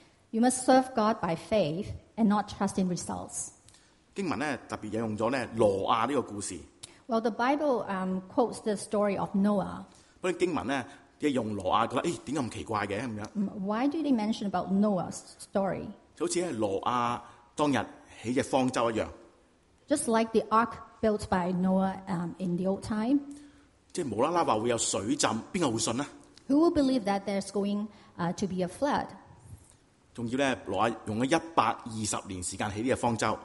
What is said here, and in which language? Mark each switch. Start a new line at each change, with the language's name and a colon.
English: You must serve God by faith and not trust in results.
Cantonese: 经文咧特别引用咗咧挪亚呢个故事。
English: Well, the Bible quotes the story of Noah.
Cantonese: 不过经文咧，即系用挪亚，觉得诶，点解咁奇怪嘅咁样
English: ？Why do they mention about Noah's story？
Cantonese: 就好似咧挪亚当日起只方舟一样。
English: Just like the ark built by Noah in the old time.
Cantonese: 即系无啦啦话会有水浸，边个会信咧
English: ？Who will believe that there's going to be a flood？
Cantonese: 仲要咧，挪亚用咗120年时间起呢只方舟。